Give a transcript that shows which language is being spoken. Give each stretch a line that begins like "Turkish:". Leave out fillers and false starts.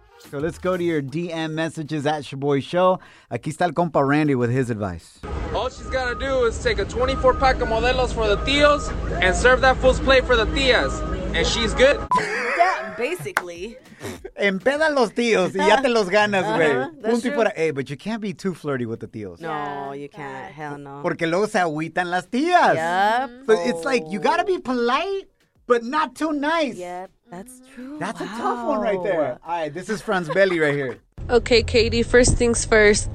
English: So let's go to your DM messages at Shaboy Show.
Spanish: Aquí está el compa
English: Randy with his advice. All she's got to do is take a 24-pack of Modelos for the tios and serve that fool's plate for the tias. And she's good. Yeah, basically.
Spanish: Empeda los tios y ya te los ganas, güey. Punto y fuera.
English: Hey, but you can't be too flirty with the tios. No, you can't. Hell no.
Spanish: Porque luego se agüitan las tias.
English: Yep. So it's like, you got to be polite, but not too nice. Yep. That's true. That's a tough one right there. All right, this is Franz Belli right here. Okay, Katie, first things first.